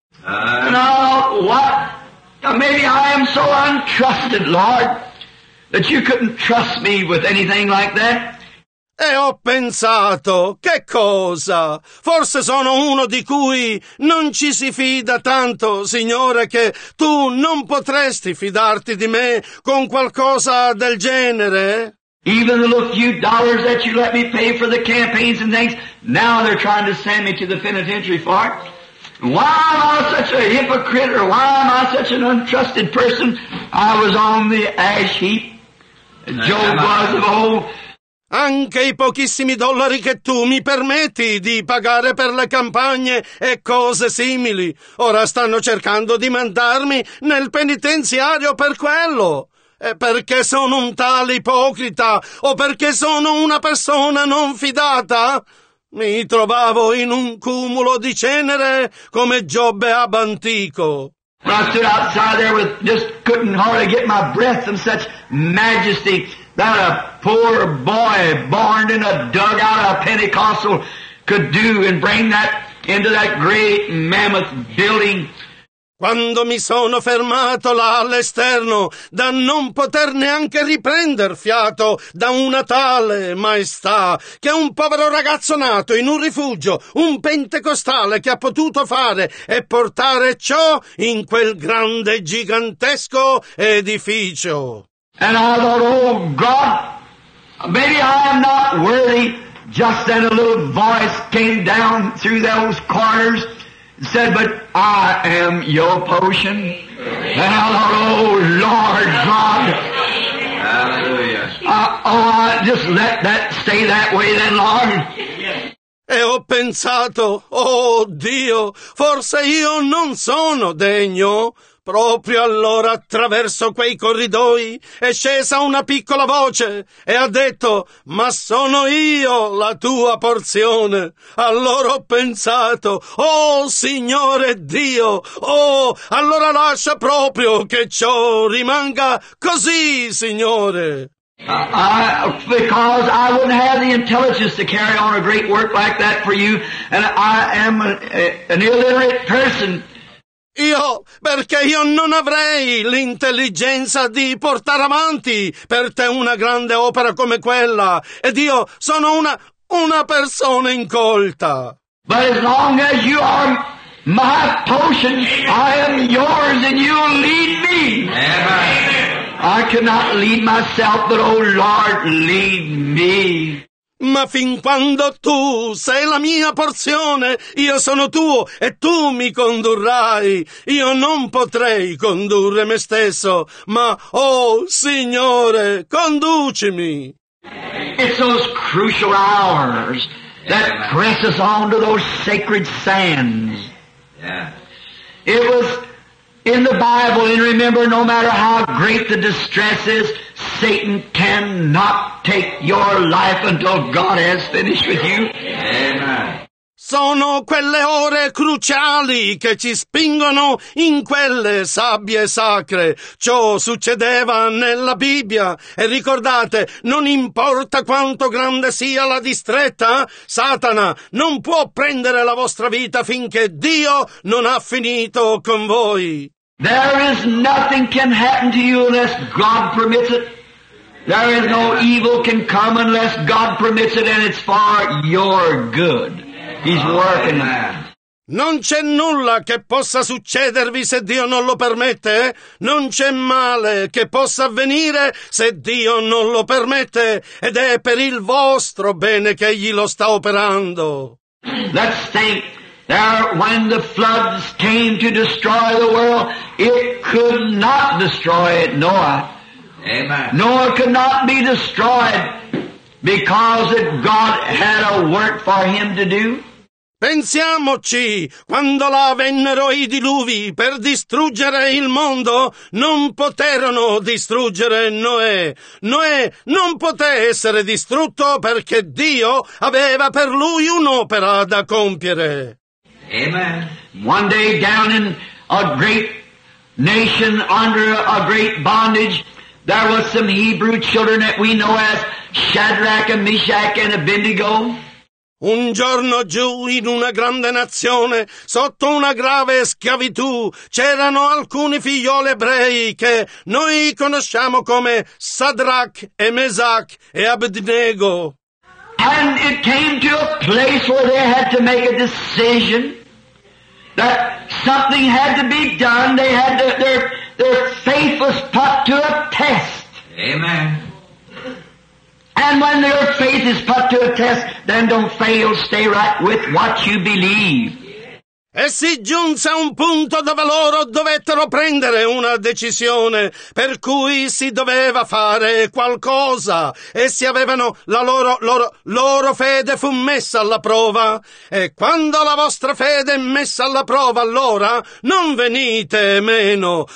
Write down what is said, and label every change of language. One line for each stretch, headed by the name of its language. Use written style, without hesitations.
English: No, what? Maybe I am so untrusted, Lord, that you couldn't trust me with anything like that.
Italian: E ho pensato, che cosa? Forse sono uno di cui non ci si fida tanto, Signore, che tu non potresti fidarti di me con qualcosa del genere?
English: Even the few dollars that you let me pay for the campaigns and things, now they're trying to send me to the penitentiary for it. Why am I such a hypocrite, or why am I such an untrusted person? I was on the ash heap, Job was of old.
Italian: Anche i pochissimi dollari che tu mi permetti di pagare per le campagne e cose simili, ora stanno cercando di mandarmi nel penitenziario per quello. E perché sono un tale ipocrita o perché sono una persona non fidata? Mi trovavo in un cumulo di cenere come Giobbe ab antico.
English: When I stood outside there with just couldn't hardly get my breath from such majesty. That a poor boy born in a dugout of a Pentecostal could do and bring that into that great mammoth building.
Italian: Quando mi sono fermato là all'esterno da non poter neanche riprender fiato da una tale maestà che un povero ragazzo nato in un rifugio, un pentecostale che ha potuto fare e portare ciò in quel grande gigantesco edificio.
English: And I thought, oh God, maybe I am not worthy. Just then a little voice came down through those corners and said, but I am your potion. And I thought, oh Lord God. Hallelujah. Oh, I just let that stay that way then, Lord.
Italian: E ho pensato, oh Dio, forse io non sono degno. Proprio allora attraverso quei corridoi è scesa una piccola voce e ha detto, ma sono io la tua porzione. Allora ho pensato, oh Signore Dio, oh, allora lascia proprio che ciò rimanga così, Signore.
English: Because I wouldn't have the intelligence to carry on a great work like that for you, and I am an illiterate person.
Italian: Io, perché io non avrei l'intelligenza di portare avanti per te una grande opera come quella, ed io sono una persona incolta.
English: But as long as you are my potion, I am yours and you lead me. Amen. I cannot lead myself, but oh Lord, lead me.
Italian: Ma fin quando tu sei la mia porzione, io sono tuo e tu mi condurrai. Io non potrei condurre me stesso, ma, oh Signore, conducimi.
English: It's those crucial hours that press us onto those sacred sands. Yeah. It was in the Bible. And remember, no matter how great the distress is, Satan cannot take your life until God has finished with you. Amen.
Italian: Sono quelle ore cruciali che ci spingono in quelle sabbie sacre. Ciò succedeva nella Bibbia. E ricordate, non importa quanto grande sia la distretta, Satana non può prendere la vostra vita finché Dio non ha finito con voi.
English: There is nothing can happen to you unless God permits it. There is no evil can come unless God permits it, and it's for your good. He's working, man.
Italian: Non c'è nulla che possa succedervi se Dio non lo permette. Non c'è male che possa avvenire se Dio non lo permette. Ed è per il vostro bene che Egli lo sta operando.
English: Let's think. There, when the floods came to destroy the world, it could not destroy it, Noah. Amen. Noah could not be destroyed because God had a work for him to do.
Italian: Pensiamoci, quando là vennero i diluvi per distruggere il mondo, non poterono distruggere Noè. Noè non poté essere distrutto perché Dio aveva per lui un'opera da compiere.
English: Amen. One day down in a great nation under a great bondage, there was some Hebrew children that we know as Shadrach and Meshach and Abednego. Un giorno giù in una grande nazione, sotto una grave schiavitù, c'erano alcuni figlioli ebrei che noi conosciamo come Shadrach e Meshach e Abednego. And it came to a place where they had to make a decision that something had to be done. They had to, their faith was put to a test. Amen. And when their faith is put to a test, then don't fail, stay right with what you believe.
Italian: E si giunse a un punto dove loro dovettero prendere una decisione, per cui si doveva fare qualcosa. Essi avevano la loro fede fu messa alla prova. E quando la vostra fede è messa alla prova, allora non venite meno.